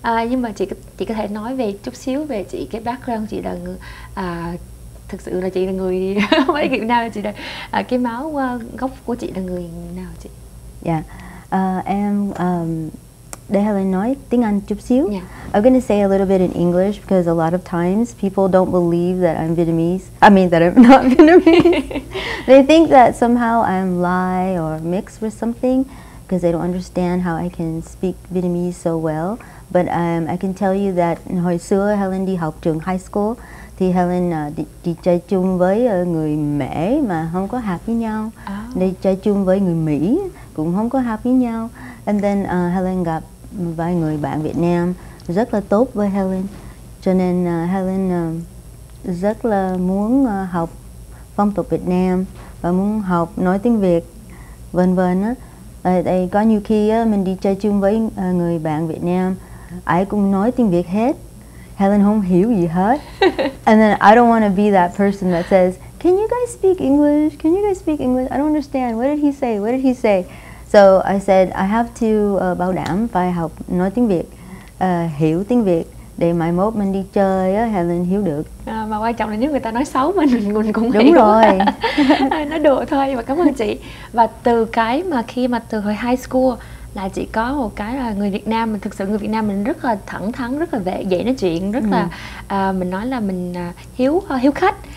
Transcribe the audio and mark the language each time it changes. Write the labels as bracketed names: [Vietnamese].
[Vietnamese] Nhưng mà chị có thể nói về chút xíu về chị, cái background chị là người, thực sự là chị là người mấy Việt Nam, chị là cái máu gốc của chị là người nào chị? Dạ, yeah. Để Helen nói tiếng Anh chút xíu. Yeah. [English] I'm gonna say a little bit in English because a lot of times people don't believe that I'm Vietnamese. I mean that I'm not Vietnamese. They think that somehow I'm Lai or mixed with something because they don't understand how I can speak Vietnamese so well. But I can tell you that [Vietnamese] hồi xưa Helen đi học trường high school thì Helen đi chơi chung với người Mẹ mà không có hợp với nhau. Oh. Đi chơi chung với người Mỹ cũng không có hợp với nhau. [English] And then [Vietnamese] Helen gặp vài người bạn Việt Nam rất là tốt với Helen. Cho nên Helen rất là muốn học phong tục Việt Nam và muốn học nói tiếng Việt, vân vân á. Tại có nhiều khi mình đi chơi chung với người bạn Việt Nam, ai cũng nói tiếng Việt hết, Helen không hiểu gì hết. [English] And then I don't want to be that person that says, can you guys speak English? Can you guys speak English? I don't understand. What did he say? What did he say? So I said, I have to [Vietnamese] bảo đảm phải học nói tiếng Việt, hiểu tiếng Việt, để mai mốt mình đi chơi Helen hiểu được. Mà quan trọng là nếu người ta nói xấu mình cũng hiểu. Đúng rồi. Nói đùa thôi, mà cảm ơn chị. Và từ cái mà khi mà từ hồi high school là chị có một cái là người Việt Nam, mình thực sự người Việt Nam mình rất là thẳng thắn, rất là dễ nói chuyện, rất là mình nói là mình hiếu khách.